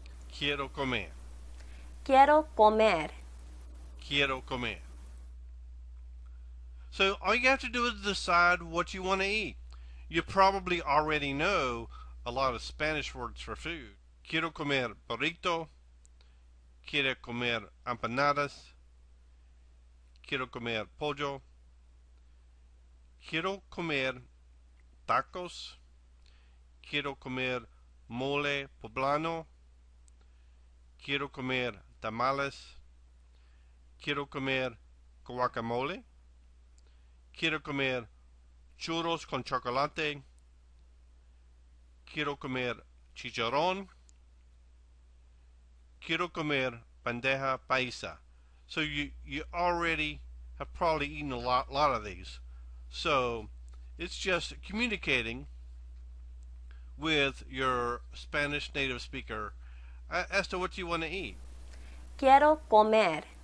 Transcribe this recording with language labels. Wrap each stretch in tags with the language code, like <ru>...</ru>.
<es>Quiero comer. Quiero comer. Quiero comer.</es> <en>So all you have to do is decide what you want to eat. You probably already know a lot of Spanish words for food.</en> <es>Quiero comer burrito. Quiero comer empanadas. Quiero comer pollo. Quiero comer tacos. Quiero comer mole poblano. Quiero comer tamales. Quiero comer guacamole. Quiero comer churros con chocolate. Quiero comer chicharrón. Quiero comer bandeja paisa.</es> <en>So you already have probably eaten a lot of these. So it's just communicating with your Spanish native speaker as to what you want to eat.</en> <es>Quiero comer.</es>